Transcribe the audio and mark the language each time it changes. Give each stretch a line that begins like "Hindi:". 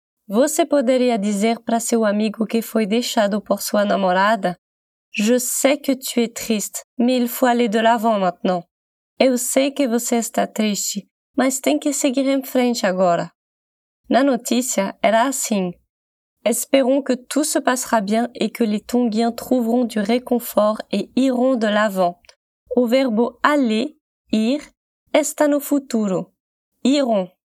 Portuguese: Você poderia dizer para seu amigo que foi deixado por sua namorada?
French: Je sais que tu es triste, mais il faut aller de l'avant maintenant.
Portuguese: Eu sei que você está triste, mas tem que seguir em frente agora. Na notícia, era assim.
French: Esperons que tout se passera bien et que les Tonguiens trouveront du réconfort et iront de l'avant.
Portuguese: O verbo aller, ir, está no futuro. Iront.